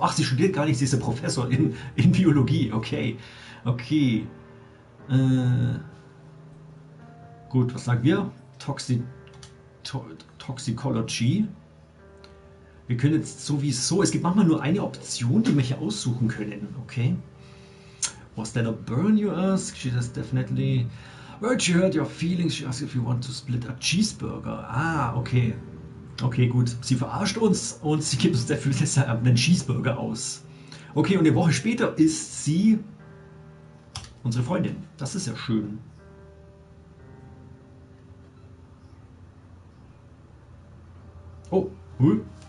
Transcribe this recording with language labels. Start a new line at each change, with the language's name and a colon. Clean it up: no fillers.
German: Ach, sie studiert gar nicht, sie ist ein Professor in Biologie, okay. Okay. Gut, was sagen wir? Toxicology. Wir können jetzt sowieso, es gibt manchmal nur eine Option, die wir hier aussuchen können, okay.
English: Was that a burn you ask? She says definitely. Where'd you hurt your feelings? She asks if you want to split a cheeseburger. Ah, okay.
German: Okay, gut. Sie verarscht uns und sie gibt uns dafür deshalb einen Cheeseburger aus. Okay, und eine Woche später ist sie unsere Freundin. Das ist ja schön. Oh, hui.